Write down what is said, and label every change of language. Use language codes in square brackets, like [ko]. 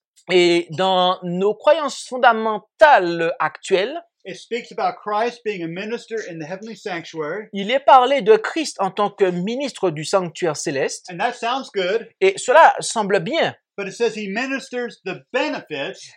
[fr] Et dans nos croyances fondamentales actuelles. [en] It speaks about Christ being a minister in the heavenly sanctuary. [fr] Il est parlé de Christ en tant que ministre du sanctuaire céleste. [en] And that sounds good. [fr] Et cela semble bien. [en] But it says he ministers the benefits.